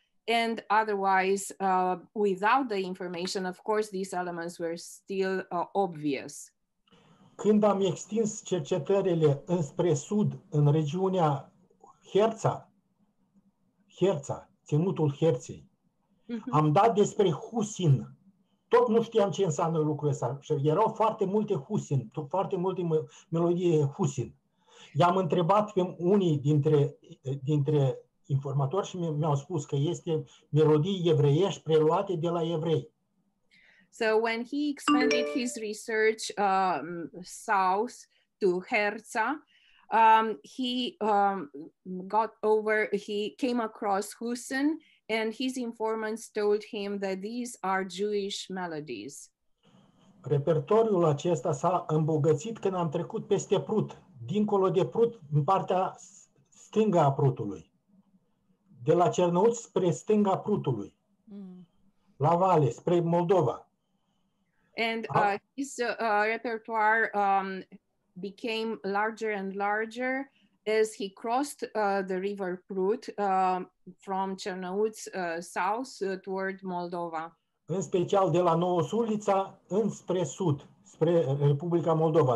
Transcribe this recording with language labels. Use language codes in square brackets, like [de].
[en] And otherwise, without the information, of course, these elements were still obvious. [ro] Când am extins cercetările înspre sud, în regiunea Herța, ținutul Herței, am dat despre Husin. Tot nu știam ce înseamnă lucrul ăsta. Și erau foarte multe Husin, foarte multe melodie Husin. I-am întrebat pe unii dintre informatori și mi-au spus că este melodii evreiești preluate de la evrei. [en] So when he expanded his research south to Herța, he came across Husin, and his informants told him that these are Jewish melodies. [ro] Repertoriul acesta s-a îmbogățit când am trecut peste Prut, dincolo de Prut, în partea stângă a Prutului. De la Cernăuți spre stânga Prutului. La vale, spre Moldova. [en] And his repertoire became larger and larger as he crossed the river Prut from Cernăuți south toward Moldova. [ro] În special de la Nouă-Sulița înspre sud, spre Republica Moldova.